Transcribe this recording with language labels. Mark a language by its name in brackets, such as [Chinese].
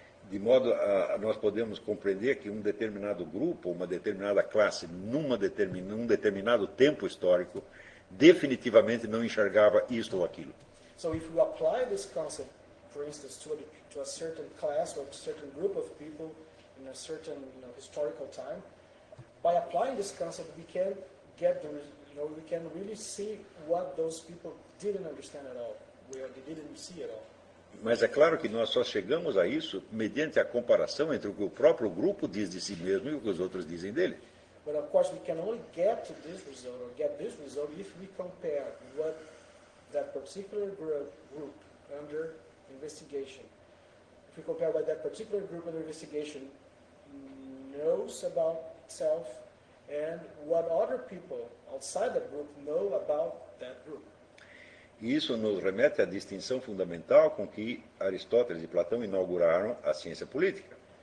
[Portuguese] De modo a nós podemos compreender que um determinado grupo, uma determinada classe, num determinado tempo histórico, definitivamente não enxergava isto ou aquilo. [English] So if we apply this concept, for instance, to a certain class or a certain group of people in a certain historical time, by applying this concept we can get the we can really see what those people didn't understand at all, where they didn't see at all. [Portuguese] Mas é claro que nós só chegamos a isso mediante a comparação entre o que o próprio grupo diz de si mesmo e o que os outros dizem dele. [English] But of course we can only get to this result or get this result if we compare what that particular group under investigation. If we compare what that particular group under investigation knows about itself and what other people outside that group know about that group. [Portuguese] Isso nos remete à distinção fundamental com que Aristóteles e Platão inauguraram a ciência política.